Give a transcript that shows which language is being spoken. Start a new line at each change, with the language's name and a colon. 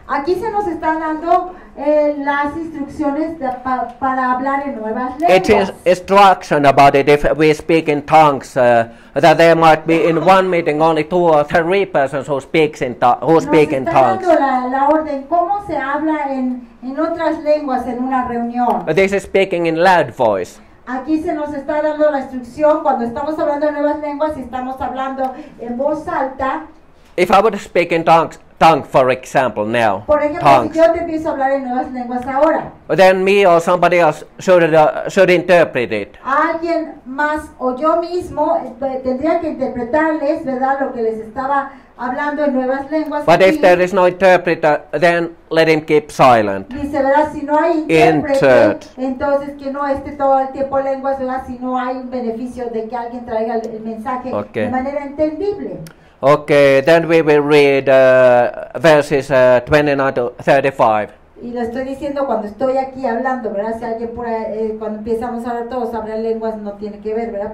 Spanish: Aquí se nos están dando las instrucciones para hablar en nuevas lenguas.
English: It is instruction about it if we speak in tongues, that there might be in one meeting only two or three persons who speak in tongues.
Spanish: La orden, ¿cómo se habla en otras lenguas en una reunión?
English: This is speaking in loud voice.
Spanish: Aquí se nos está dando la instrucción cuando estamos hablando en nuevas lenguas y estamos hablando en voz alta.
English: If I were to speak in tongues, for example, now.
Spanish: Por ejemplo,
English: tongues,
Spanish: si yo te empiezo a hablar en nuevas lenguas ahora.
English: Then me or somebody else should interpret it.
Spanish: Alguien más o yo mismo tendría que interpretarles, ¿verdad? Lo que les estaba hablando en nuevas lenguas.
English: But if there is no interpreter, then let him keep silent.
Spanish: Dice, ¿verdad? Si no hay intérprete, entonces que no esté todo el tiempo lenguas, ¿verdad? Si no hay un beneficio de que alguien traiga el mensaje okay. De manera entendible.
English: Okay, then we will read verses 29 to 35.
Spanish: Y lo estoy diciendo cuando estoy aquí hablando, ¿verdad? Si alguien por cuando empezamos a hablar todos, hablar lenguas no tiene que ver, ¿verdad?